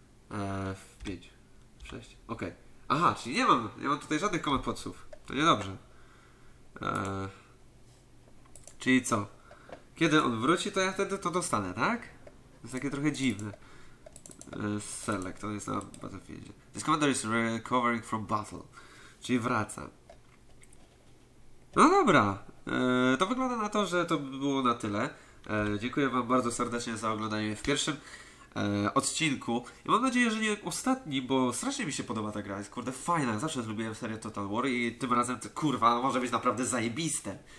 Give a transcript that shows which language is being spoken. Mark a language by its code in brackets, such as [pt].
[pl] F5. 6. Okej. Okay. Aha, czyli nie mam tutaj żadnych command podsów. To niedobrze. Czyli co? Kiedy on wróci, to ja wtedy to dostanę, tak? To jest takie trochę dziwne. Select, on jest na battlefieldzie. [en] This commander is recovering from battle. [pl] Czyli wraca. No dobra. To wygląda na to, że to było na tyle. Dziękuję wam bardzo serdecznie za oglądanie w pierwszym odcinku. I mam nadzieję, że nie ostatni, bo strasznie mi się podoba ta gra. Jest kurde fajna, zawsze lubiłem serię Total War i tym razem to kurwa może być naprawdę zajebiste.